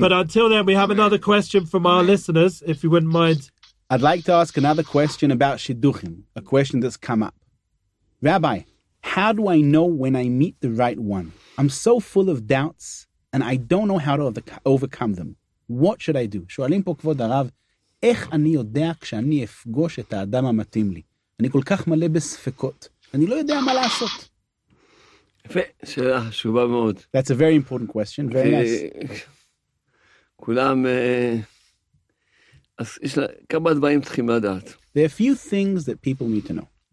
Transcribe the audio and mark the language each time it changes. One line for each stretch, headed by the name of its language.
English: But until then, we have another question from our listeners, if you wouldn't mind. I'd like to ask another question about shidduchim, a question that's come up. Rabbi, how do I know when I meet the right one? I'm so full of doubts, and I don't know how to overcome them. What should I do?
Hebrew: Shualim po kvod harav, איך אני יודע כשאני אפגוש את האדם המתאים לי? אני כל כך מלא בספקות, אני לא יודע מה לעשות. יפה, שאלה חשובה מאוד.
English: That's a very important question, very nice.
Hebrew: כולם... אז יש לה כמה דברים צריכים לדעת.
English: There are a few things that people need to know.